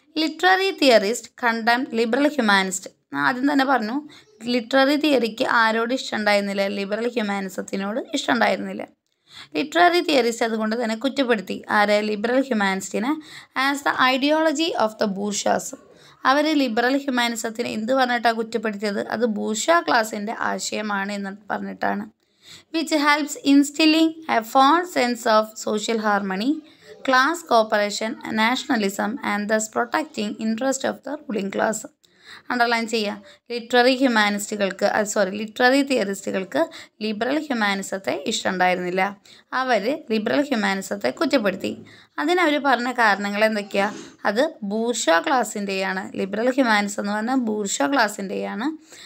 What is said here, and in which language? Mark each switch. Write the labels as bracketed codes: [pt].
[ml] Literary theorist കണ്ടം liberal humanist. ആദ്യം തന്നെ പറഞ്ഞു, ലിറ്റററി തിയറിക്ക് ആരോട് ഇഷ്ടമുണ്ടായിരുന്നില്ല, ലിബറൽ ഹ്യൂമാനിസത്തിനോട് ഇഷ്ടമുണ്ടായിരുന്നില്ല. ലിറ്റററി തിയറിസ്റ്റ് അതുകൊണ്ട് തന്നെ കുറ്റപ്പെടുത്തി ആരെ? Liberal ഹ്യൂമാനിസ്റ്റിനെ. [en] as the ideology of the bourgeois, [ml] our liberal ഹ്യൂമാനിസത്തിനെ എന്ത് പറഞ്ഞിട്ടാണ് കുറ്റപ്പെടുത്തിയത്? അത് ബൂർഷ്വാ ക്ലാസിൻ്റെ ആശയമാണ് എന്ന് പറഞ്ഞിട്ടാണ്. [en] which helps instilling a fond sense of social harmony, class cooperation, nationalism, and thus protecting interest of the ruling class. [ml] Underline ചെയ്യ ലിറ്ററി ഹ്യൂമാനിസ്റ്റുകൾക്ക് സോറി ലിറ്ററി തിയറിസ്റ്റുകൾക്ക് ലിബറൽ ഹ്യൂമാനിസത്തെ ഇഷ്ടമുണ്ടായിരുന്നില്ല. അവർ liberal ഹ്യൂമാനിസത്തെ കുറ്റപ്പെടുത്തി. അതിനവർ പറഞ്ഞ കാരണങ്ങൾ എന്തൊക്കെയാ? അത് ബൂർഷ്വാ ക്ലാസ്സിൻ്റെയാണ്. ലിബറൽ ഹ്യൂമാനിസം എന്ന് പറഞ്ഞാൽ ബൂർഷ്വാ ക്ലാസ്സിൻ്റെയാണ്.